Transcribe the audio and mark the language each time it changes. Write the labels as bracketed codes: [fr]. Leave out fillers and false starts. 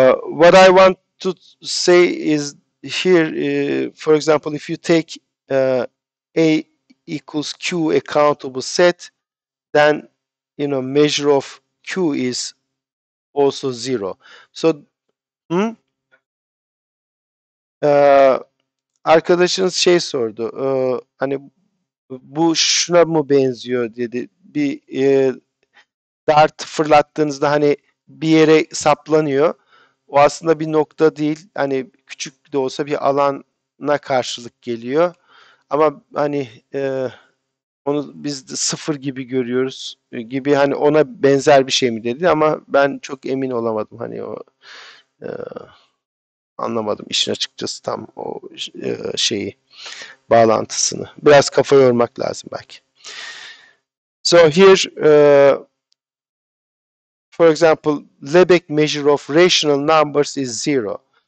[en] What I want to say is here, for example, if you take A equals Q, a countable set, then measure of Q is also zero. [tr] So, arkadaşınız şey sordu, hani bu şuna mı benziyor dedi. Bir dart fırlattığınızda hani bir yere saplanıyor. O aslında bir nokta değil, hani küçük de olsa bir alana karşılık geliyor. Ama hani onu biz de sıfır gibi görüyoruz gibi, hani ona benzer bir şey mi dedi, ama ben çok emin olamadım hani o. Anlamadım işin açıkçası tam o şeyi, bağlantısını. Biraz kafa yormak lazım belki. [en] So here, for example, Lebesgue measure of rational numbers is zero.